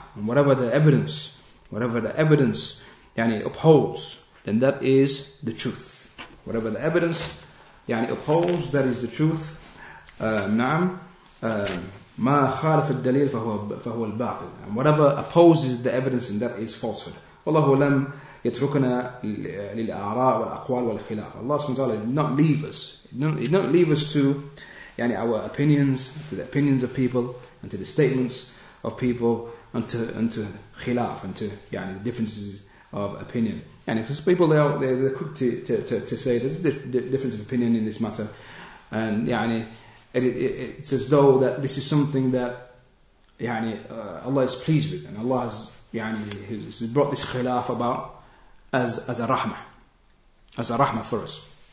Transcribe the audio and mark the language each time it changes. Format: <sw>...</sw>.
<en>And whatever the evidence يعني, upholds, then that is the truth. Whatever the evidence يعني, upholds, that is the truth.</en> <ar>نعم. ما خالف الدليل فهو الباطل.</ar> <en>And whatever opposes the evidence, then that is falsehood.</en> <ar>والله لم يتركنا للآراء والأقوال والخلاف.</ar> <en>Allah subhanahu wa ta'ala did not leave us. He did not leave us to يعني, our opinions, to the opinions of people, and to the statements of people, and to khilaf, and to يعني, differences of opinion. And because people they're quick to say there's a difference of opinion in this matter, and يعني, it's as though that this is something that يعني, Allah is pleased with, and Allah has يعني, he brought this khilaf about as a rahmah for us.</en>